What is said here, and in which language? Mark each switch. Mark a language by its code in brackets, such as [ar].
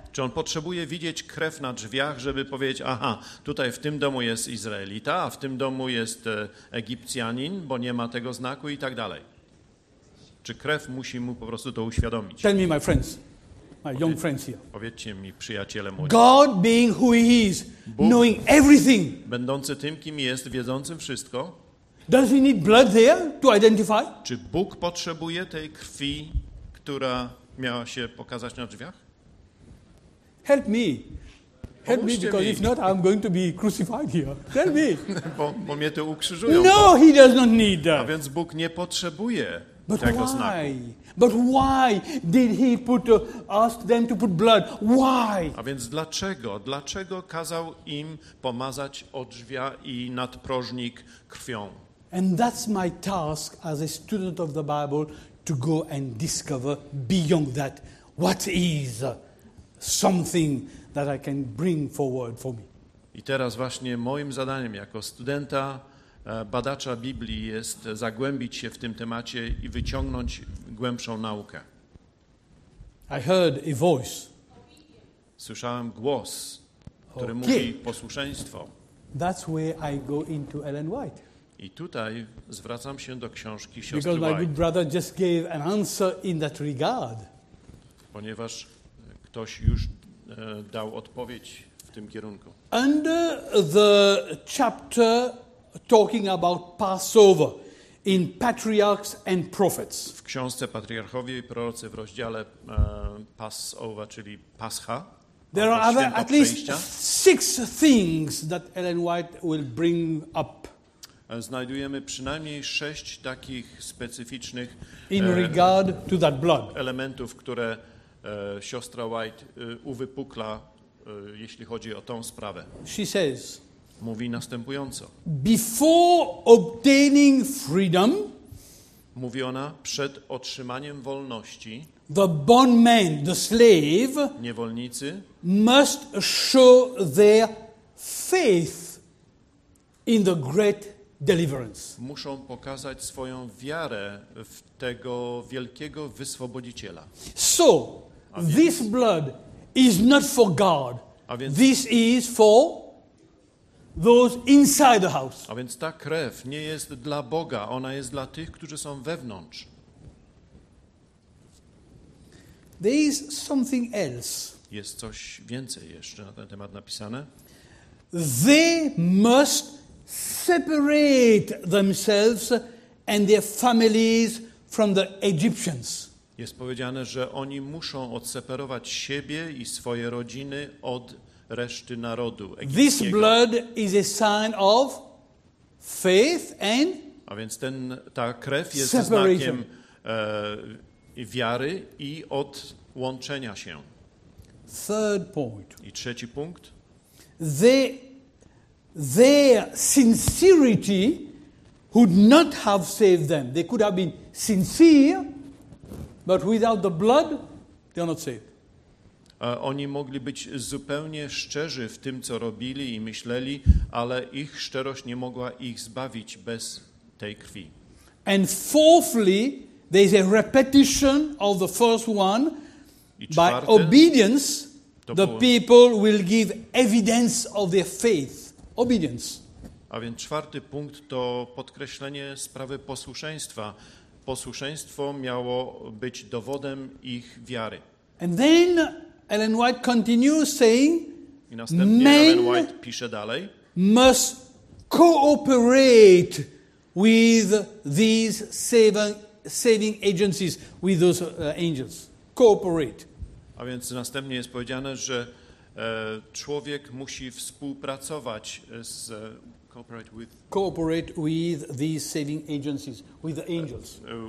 [pl] Czy on potrzebuje widzieć krew na drzwiach, żeby powiedzieć, aha, tutaj w tym domu jest Izraelita, a w tym domu jest Egipcjanin, bo nie ma tego znaku i tak dalej. Czy krew musi mu po prostu to uświadomić? [en] Tell me, my friends, my young friends here. [pl] Powiedzcie mi, przyjaciele moi. [en] God being who he is, [pl] Bóg, [en] knowing everything. [pl] Będący tym, kim jest, wiedzącym wszystko. [en] Does he need blood there to identify? [pl] Czy Bóg potrzebuje tej krwi, która miała się pokazać na drzwiach? [en] Help me. Help me, because if not, I'm going to be crucified here. Tell me. [pl] Bo mnie to ukrzyżują. [en] No, he does not need that. [pl] A więc Bóg nie potrzebuje. [en] But why? But why did he put ask them to put blood? Why? [pl] A więc dlaczego? Dlaczego kazał im pomazać odrzwia i nadprożnik krwią? [en] And that's my task as a student of the Bible, to go and discover beyond that what is something that I can bring forward for me. [pl] I teraz właśnie moim zadaniem jako studenta badacza Biblii jest zagłębić się w tym temacie i wyciągnąć głębszą naukę. [en] I heard a voice. [pl] Słyszałem głos, który mówi posłuszeństwo. [en] That's where I go into Ellen White. [pl] I tutaj zwracam się do książki siostry [en] White. Because my good brother just gave an answer in that regard. [pl] Ponieważ ktoś już dał odpowiedź w tym kierunku. [en] Under the chapter talking about Passover in Patriarchs and Prophets. [pl] W książce Patriarchowie i Prorocy w rozdziale Passover, czyli Pascha. [en] There are other, at least six things that Ellen White will bring up. [pl] Znajdujemy przynajmniej sześć takich specyficznych [en] in regard to that blood. [pl] Elementów, które siostra White uwypukla, jeśli chodzi o tą sprawę. [en] She says, [pl] mówi następująco. [en] Before obtaining freedom, [pl] mówi ona, przed otrzymaniem wolności, [en] the bondman, the slave, [pl] niewolnicy, [en] must show their faith in the great deliverance. [pl] Muszą pokazać swoją wiarę w tego wielkiego wyswobodziciela. [en] So, this blood is not for God. [pl] A więc [en] this is for those inside the house. [pl] A więc ta krew nie jest dla Boga, ona jest dla tych, którzy są wewnątrz. [en] There is something else. [pl] Jest coś więcej jeszcze na ten temat napisane. [en] They must separate themselves and their families from the Egyptians. [pl] Jest powiedziane, że oni muszą odseparować siebie i swoje rodziny od reszty narodu egipskiego. [en] This blood is a sign of faith and [pl] a więc ten, ta krew jest [en] separation. [pl] Znakiem wiary i odłączenia się. [en] Third point. [pl] I trzeci punkt. [en] They their sincerity would not have saved them. They could have been sincere, but without the blood, they are not saved. [pl] Oni mogli być zupełnie szczerzy w tym, co robili i myśleli, ale ich szczerość nie mogła ich zbawić bez tej krwi. [en] And fourthly, there is a repetition of the first one. [pl] Czwarte, [en] by obedience, the people will give evidence of their faith. Obedience. [pl] A więc czwarty punkt to podkreślenie sprawy posłuszeństwa. Posłuszeństwo miało być dowodem ich wiary. [en] And then Ellen White continues saying, [pl] i następnie Ellen White pisze dalej, [en] must cooperate with these saving agencies, with those angels. Cooperate. [pl] A więc następnie jest powiedziane, że człowiek musi współpracować z [en] cooperate with these saving agencies, with the angels.